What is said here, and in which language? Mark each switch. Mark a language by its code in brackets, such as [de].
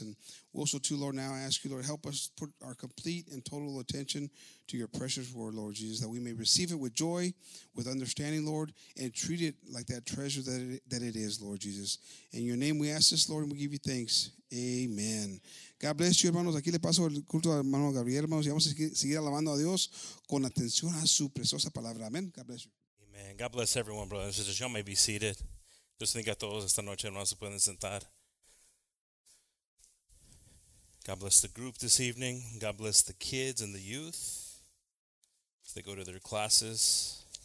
[en] And we also, too, Lord, now ask you, Lord, help us put our complete and total attention to your precious word, Lord Jesus, that we may receive it with joy, with understanding, Lord, and treat it like that treasure that it is, Lord Jesus. In your name we ask this, Lord, and we give you thanks. Amen. God bless you, hermanos. [es] Aquí le paso el culto a hermano Gabriel, hermanos, y vamos a seguir alabando a Dios con atención a su preciosa palabra. [en] Amen. God bless you. Amen. God bless everyone, brothers and sisters. Y'all may be seated. [es] Dios bendiga a todos esta noche, hermanos, se pueden sentar. [en] God bless the group this evening. God bless the kids and the youth as they go to their classes.